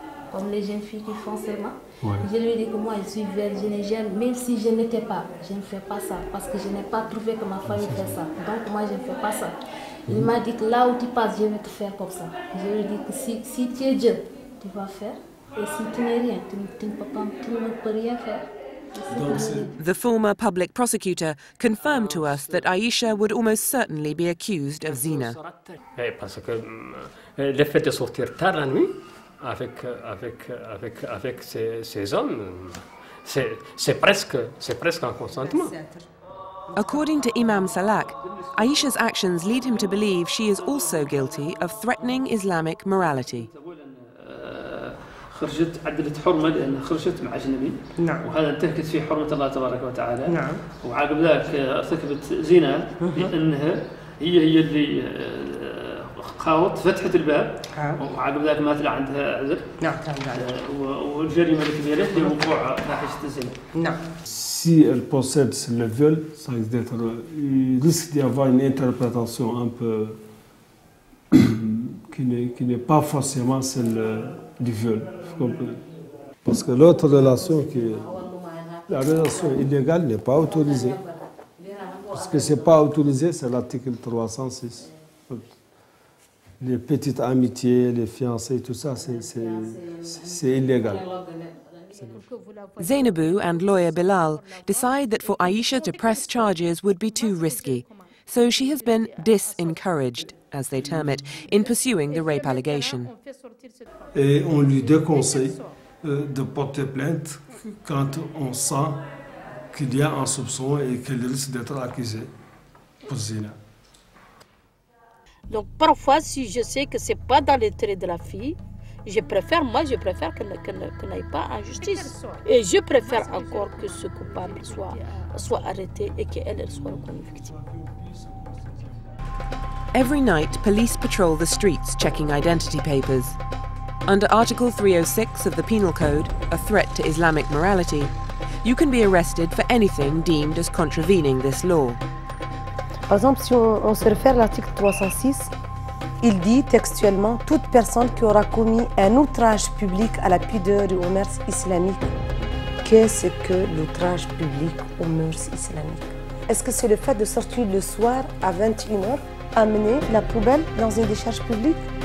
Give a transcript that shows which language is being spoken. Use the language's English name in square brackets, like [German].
[French] Comme les jeunes filles qui font ces mains, ouais. Je lui dis que moi je suis vierge, même si je n'étais pas, je ne fais pas ça parce que je n'ai pas trouvé que ma famille fait ça. Donc moi je ne fais pas ça. Il m'a dit que là où tu passes, je vais te faire comme ça. Je lui dis que si tu es Dieu, tu vas faire. Et si tu n'es rien, tu ne peux rien faire. [English] The former public prosecutor confirmed to us that Aisha would almost certainly be accused of zina. [French] Parce que le fait de sortir tard la nuit avec ces hommes, c'est presque un consentement. [English] According to Imam Salak, Aisha's actions lead him to believe she is also guilty of threatening Islamic morality. [Arabic] خرجت عدلت حرمة لأن خرجت مع أجنبي وهذا انتهكت في حرمة الله تبارك وتعالى وعقب ذلك ارتكبت زنا لأنها هي اللي خاوت فتحت الباب وعقب ذلك مات لها عندها عذر والجريمة الكبيرة هي وقوع فاحشة الزنا [French] Si elle possède le viol, ça risque d'être, il risque d'y avoir une interprétation un peu qui n'est pas forcément celle du viol. Parce que l'autre relation, la relation illégale n'est pas autorisée. Parce que ce n'est pas autorisé, c'est l'article 306. Les petites amitiés, les fiancés, tout ça, c'est illégal. [English] Zainabou and lawyer Bilal decide that for Aisha to press charges would be too risky. So she has been disencouraged, as they term it, in pursuing the rape allegation. [French] Et on lui déconseille de porter plainte quand on sent qu'il y a un soupçon et qu'elle risque d'être accusée pour Zina. Donc parfois, si je sais que c'est pas dans l'intérêt de la fille, je préfère, moi, je préfère qu'elle n'aille pas en justice. Et je préfère encore que ce coupable soit arrêté et qu'elle soit reconnue victime. [English] Every night, police patrol the streets checking identity papers. Under Article 306 of the Penal Code, a threat to Islamic morality, you can be arrested for anything deemed as contravening this law. [French] Par exemple, si on se réfère à l'article 306, il dit textuellement toute personne qui aura commis un outrage public à la pudeur ou aux mœurs islamiques. Qu'est-ce que l'outrage public aux mœurs islamiques? Est-ce que c'est le fait de sortir le soir à 21h, amener la poubelle dans une décharge publique?